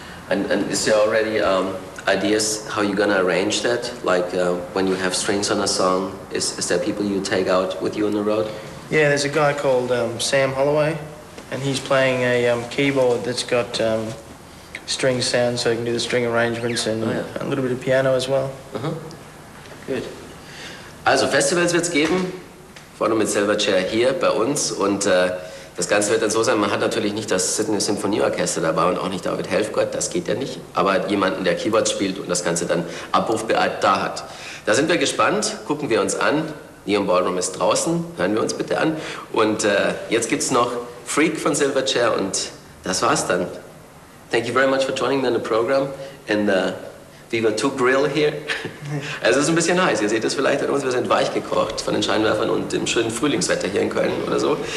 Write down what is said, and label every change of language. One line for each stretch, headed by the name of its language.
English: And is there already ideas how you're gonna arrange that, like when you have strings on a song, is there people you take out with you on the road? Yeah, there's a guy called Sam Holloway, and he's playing a keyboard that's got string sound, so he can do the string arrangements and a little bit of piano as well. Uh-huh. Good.
German: Also Festivals wird's geben, vorne mit Silverchair hier bei uns und das Ganze wird dann so sein, man hat natürlich nicht das Sydney Symphony Orchester dabei und auch nicht David Helfgott, das geht ja nicht, aber jemanden, der Keyboards spielt und das Ganze dann abrufbereit da hat. Da sind wir gespannt, gucken wir uns an. Neon Ballroom ist draußen, hören wir uns bitte an. Und jetzt gibt's noch Freak von Silverchair und das war's dann.
English: Thank you very much for joining me in the program in the Viva 2 Grill here.
German: Also es ist ein bisschen heiß, ihr seht es vielleicht an uns, wir sind weich gekocht von den Scheinwerfern und dem schönen Frühlingswetter hier in Köln oder so.